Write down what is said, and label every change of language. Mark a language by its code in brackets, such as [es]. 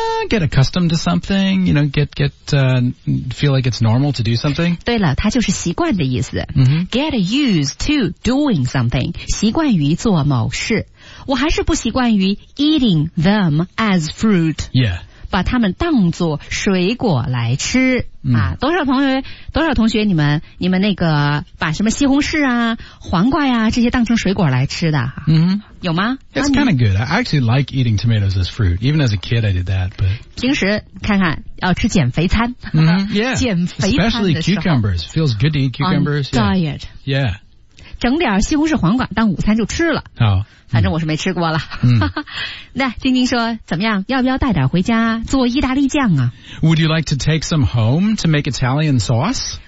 [en] get accustomed to something, you know, feel like it's normal to do something. [zh] 对了，它就是习惯的意思。 [en] Mm-hmm. Get used to doing something, [zh] 习惯于做某事。我还是不习惯于 [en] eating them as fruit. Yeah. [zh] 把它们当作水果来吃、嗯、啊！多少同学，你们那个把什么西红柿啊、黄瓜呀、啊、这些当成水果来吃的？嗯，有吗 [en] ？That's kind of good. I actually like eating tomatoes as fruit. Even as a kid, I did that. But [zh] 平时看看要吃减肥餐， [en] yeah, [zh] 减肥餐的时候 [en] ，especially cucumbers feels good to eat cucumbers. Diet, yeah. [zh] 整点西红柿黄瓜当午餐就吃了、 [en] oh, [zh] 反正我是没吃过了、嗯、那晶晶说怎么样要不要带点回家做意大利酱啊 [en] Would you like to take some home to make Italian sauce?